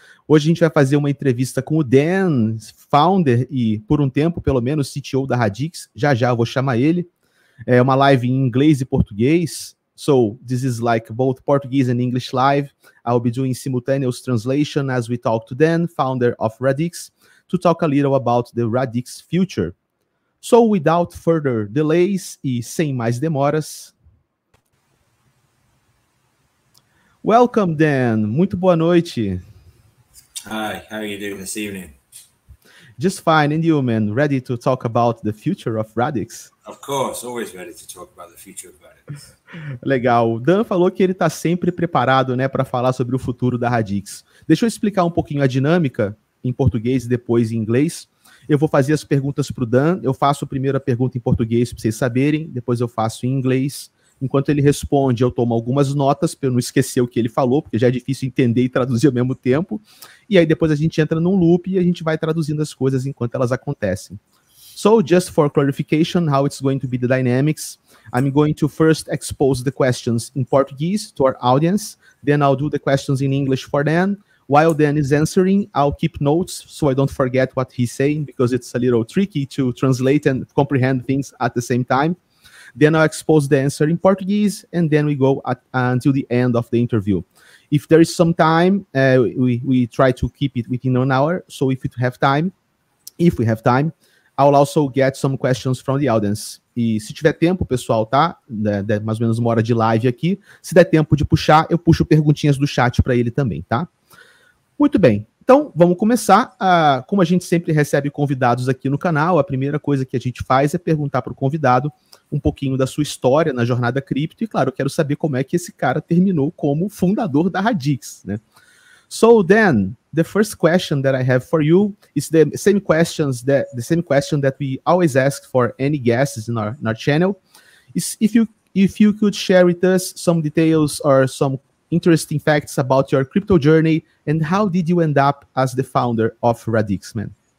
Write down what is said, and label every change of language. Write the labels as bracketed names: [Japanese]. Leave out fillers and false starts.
[Portuguese] Hoje a gente vai fazer uma entrevista com o Dan, founder e, por um tempo, pelo menos, CTO da Radix. Já eu vou chamar ele. É uma live em inglês e português. [English] So, this is like both Portuguese and English live. I'll be doing simultaneous translation as we talk to Dan, founder of Radix, to talk a little about the Radix future. So, without further delays [Portuguese] e sem mais demoras. [English] Welcome, [Portuguese] Dan. Muito boa noite. [English] Hi, how are you doing this evening? Just fine. And you, man, ready to talk about the future of Radix? Of course, always ready to talk about the future of Radix. [Portuguese] Legal. O Dan falou que ele está sempre preparado, né, para falar sobre o futuro da Radix. Deixa eu explicar um pouquinho a dinâmica em português e depois em inglês. Eu vou fazer as perguntas para o Dan. Eu faço primeiro a pergunta em português para vocês saberem, depois eu faço em inglês. Enquanto ele responde, eu tomo algumas notas para eu não esquecer o que ele falou, porque já é difícil entender e traduzir ao mesmo tempo. E aí depois a gente entra num loop e a gente vai traduzindo as coisas enquanto elas acontecem. [English] So, just for clarification, how it's going to be the dynamics, I'm going to first expose the questions in Portuguese to our audience, then I'll do the questions in English for Dan. While Dan is answering, I'll keep notes so I don't forget what he's saying, because it's a little tricky to translate and comprehend things at the same time. Then I'll expose the answer in Portuguese, and then we go until the end of the interview. If there is some time, we try to keep it within an hour. So if you have time, I'll also get some questions from the audience. [Portuguese] E se tiver tempo, pessoal, tá? Mais ou menos uma hora de live aqui. Se der tempo de puxar, eu puxo perguntinhas do chat para ele também, tá? Muito bem. Então, vamos começar. Como a gente sempre recebe convidados aqui no canal, a primeira coisa que a gente faz é perguntar para o convidado um pouquinho da sua história na jornada cripto. E, claro, eu quero saber como é que esse cara terminou como fundador da Radix, né? [English] So, Dan, the first question that I have for you is the same question that we always ask for any guests in our channel. Is if you could share with us some details or some interesting facts about your crypto journey and how did you end up as the founder of Radix, man?